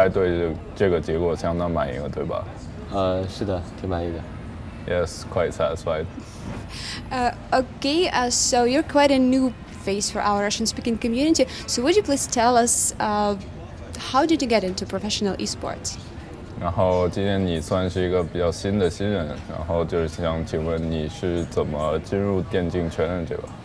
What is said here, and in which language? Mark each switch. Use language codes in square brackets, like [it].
[zh] 你们小组取得第一的成绩，然后你自己个人的话也是表现非常出色，那你应该对这个结果相当满意了，对吧？是的，挺满意的。 [en] Yes, quite satisfied. Okay, so you're quite a new face for our Russian-speaking community, so would you please tell us how did you get into professional esports? [zh] 然后今天你算是一个比较新的新人，然后就是想请问你是怎么进入电竞圈的这个？